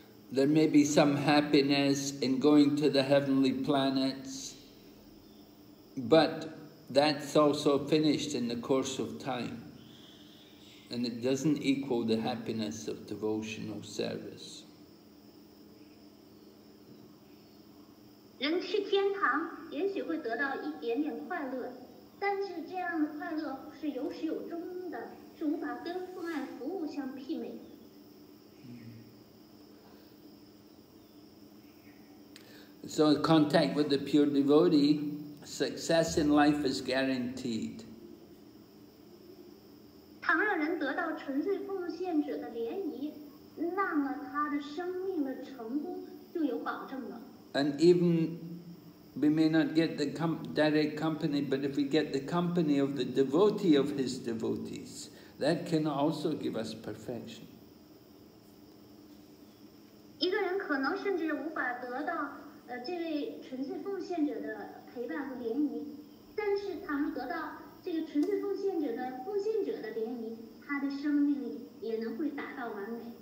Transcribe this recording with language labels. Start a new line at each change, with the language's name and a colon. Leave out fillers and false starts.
English: There may be some happiness in going to the heavenly planets, but that's also finished in the course of time. And it doesn't equal the happiness of devotional service.
Chinese: 人去天堂也许会得到一点点快乐，但是这样的快乐是有始有终的，是无法跟奉爱服务相媲美。
English: So in contact with the pure devotee, success in life is guaranteed.
Chinese: 倘若人得到纯粹奉献者的莲仪，那么他的生命的成功就有保证了。
English: And even we may not get the direct company, but if we get the company of the devotee of his devotees, that can also give us perfection.
Chinese: 一个人可能甚至无法得到这位纯粹奉献者的陪伴和联谊，但是他们得到这个纯粹奉献者的联谊，他的生命里也能会达到完美。